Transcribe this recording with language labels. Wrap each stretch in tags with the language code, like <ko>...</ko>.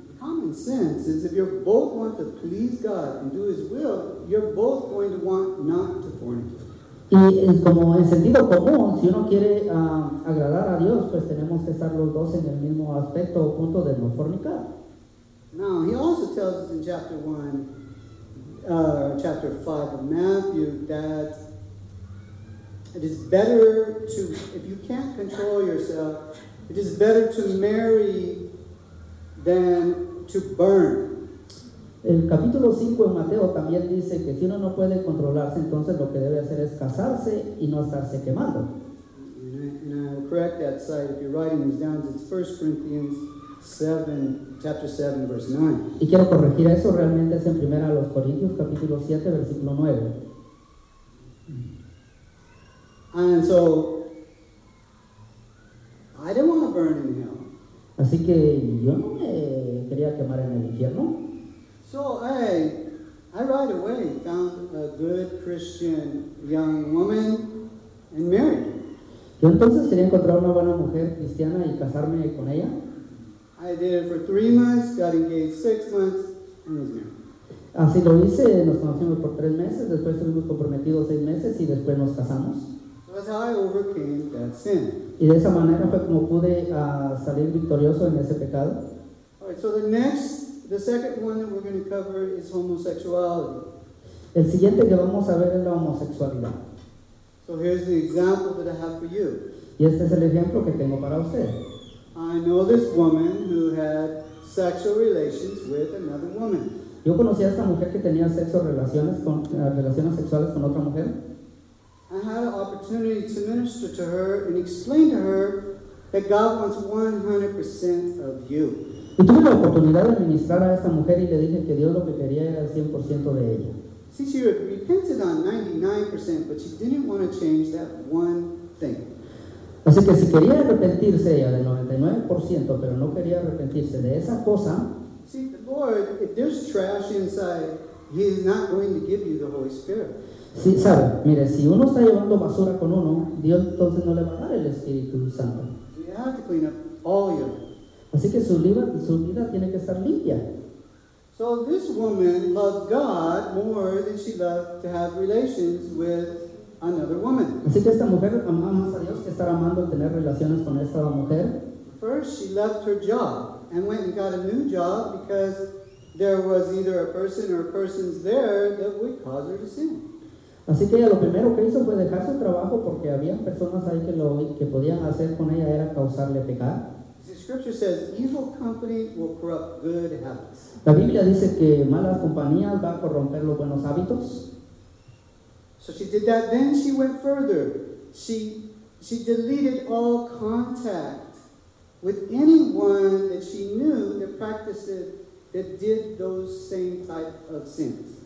<en>Common sense is if you both want to please God and do His will, you're both going to want not to fornicate.</en> <es>Y como en sentido común, si uno quiere agradar a Dios, pues tenemos que estar los dos en el mismo aspecto o punto de no fornicar.</es> <en>Now, he also tells us in chapter 1, chapter 5 of Matthew, that it is better to, if you can't control yourself, it is better to marry than to burn.</en> <es>El capítulo 5 de Mateo también dice que si uno no puede controlarse, entonces lo que debe hacer es casarse y no estarse quemando.</es> <en>And I will correct that side. If you're writing these down, it's 1 Corinthians 7, chapter 7, verse 9.</en> <es>Y quiero corregir eso, realmente es en 1 Corintios, capítulo 7, versículo 9.</es> <en>And so, I didn't want to burn in hell.</en> <es>Así que yo no me quería quemar en el infierno.</es> <en>So I right away found a good Christian young woman and married her.</en> <es>Yo entonces quería encontrar una buena mujer cristiana y casarme con ella.</es> <en>I did it for 3 months, got engaged 6 months, and was married.</en> <es>Así lo hice, nos conocimos por 3 meses, después estuvimos comprometidos 6 meses y después nos casamos.</es> <en>So that's how I overcame that sin.</en> <es>Y de esa manera fue como pude salir victorioso en ese pecado.</es> <en>Alright, so the second one that we're going to cover is homosexuality.</en> <es>El siguiente que vamos a ver es la homosexualidad.</es> <en>So here's the example that I have for you.</en> <es>Y este es el ejemplo que tengo para usted.</es> <en>I know this woman who had sexual relations with another woman.</en> <es>Yo conocí a esta mujer que tenía sexo relaciones con relaciones sexuales con otra mujer.</es> <en>I had an opportunity to minister to her and explain to her that God wants 100% of you.</en> <es>Y tuve la oportunidad de ministrar a esta mujer y le dije que Dios lo que quería era el 100% de ella.</es> <en>See, she repented on 99%, but she didn't want to change that one thing.</en> <es>Así que si quería arrepentirse ella del 99%, pero no quería arrepentirse de esa cosa.</es> <en>See, the Lord, if there's trash inside, He is not going to give you the Holy Spirit.</en> <es>Sí, sabe, mire, si uno está llevando basura con uno, Dios entonces no le va a dar el Espíritu Santo.</es> <en>You have to clean up all your...</en> <es>Así que su vida tiene que estar limpia.</es> <en>So this woman loved God more than she loved to have relations with another woman.</en> <es>Así que esta mujer amaba más a Dios que estar amando tener relaciones con esta mujer.</es> <en>First she left her job and went and got a new job because there was either a person or persons there that would cause her to sin.</en> <es>Así que ella lo primero que hizo fue dejar su trabajo porque había personas ahí que podían hacer con ella era causarle pecar.</es> <en>Scripture says evil company will corrupt good habits.</en> <es>La Biblia dice que malas compañías va a corromper los buenos hábitos.</es> <en>So she did that, then she went further. She deleted all contact with anyone that she knew that practiced it, that did those same type of sins.</en>